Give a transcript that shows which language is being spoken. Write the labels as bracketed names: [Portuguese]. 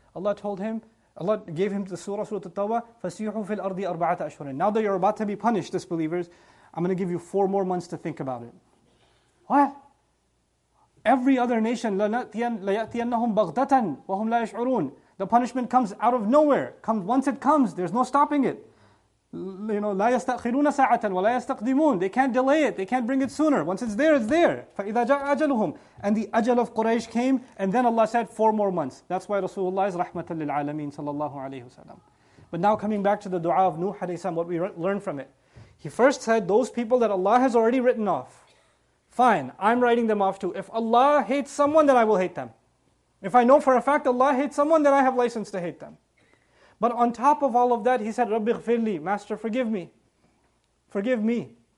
[English] Allah gave him the Surah At-Tawbah, [Arabic] فَسِيحُوا فِي الْأَرْضِ أَرْبَعَةَ أَشْهُرٍ. [English] Now that you're about to be punished, disbelievers, I'm going to give you 4 more months to think about it. What? Every other nation, [Arabic] لَيَأْتِيَنَّهُمْ بَغْدَةً وَهُمْ لَا يَشْعُرُونَ. [English] The punishment comes out of nowhere. Once it comes, there's no stopping it. You know, [Arabic] لا يستأخرون ساعة ولا يستقدمون. [English] They can't delay it. They can't bring it sooner. Once it's there, it's there. [Arabic] فإذا جاء أجلهم. [English] And the ajal of Quraysh came. And then Allah said, 4 more months. That's why Rasulullah is [Arabic] رحمة للعالمين صلى الله عليه وسلم. [English] But now coming back to the dua of Nuh عليه السلام, what we learn from it. He first said, those people that Allah has already written off, fine, I'm writing them off too. If Allah hates someone, then I will hate them. If I know for a fact Allah hates someone, then I have license to hate them. But on top of all of that, he said, [Arabic] رَبِّ اغْفِرْ لِي, [English] Master, forgive me. Forgive me.